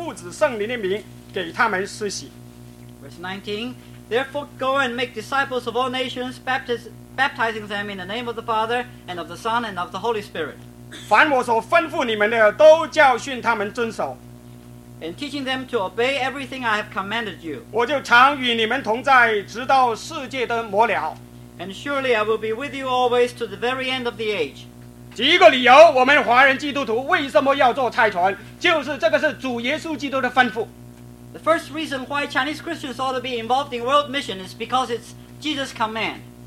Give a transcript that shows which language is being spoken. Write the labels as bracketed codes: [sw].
[zh] 所以你们要去十万民做我的门徒，奉父子圣灵的名给他们施洗。 [en] Verse 19, therefore go and make disciples of all nations, baptizing them in the name of the Father and of the Son and of the Holy Spirit. [zh] 凡我所吩咐你们的，都教训他们遵守。 [en] And teaching them to obey everything I have commanded you. [zh] 我就常与你们同在，直到世界的末了。 [en] And surely I will be with you always to the very end of the age. [zh] 举一个理由，我们华人基督徒为什么要做差传，就是这个是主耶稣基督的吩咐。 [en] The first reason why Chinese Christians ought to be involved in world mission is because it's Jesus' command.